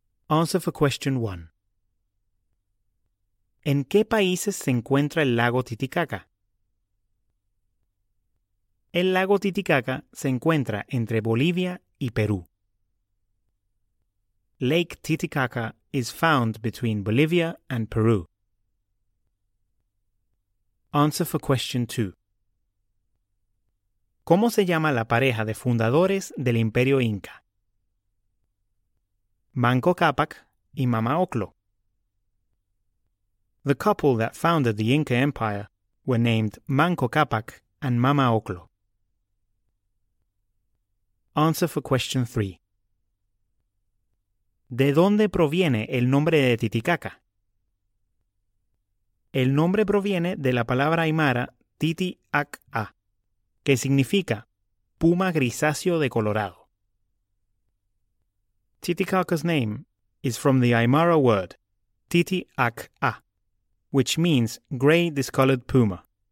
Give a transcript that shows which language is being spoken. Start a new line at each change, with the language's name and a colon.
English: Answer for question 1.
Spanish: ¿En qué países se encuentra el lago Titicaca? El lago Titicaca se encuentra entre Bolivia y Perú.
English: Lake Titicaca is found between Bolivia and Peru. Answer for question 2.
Spanish: ¿Cómo se llama la pareja de fundadores del Imperio Inca? Manco Cápac y Mama Oclo.
English: The couple that founded the Inca Empire were named Manco Cápac and Mama Oclo. Answer for question 3.
Spanish: ¿De dónde proviene el nombre de Titicaca? El nombre proviene de la palabra aymara Titi-ac-a, que significa puma grisáceo de Colorado.
English: Titicaca's name is from the Aymara word Titi-ac-a, which means gray discolored puma.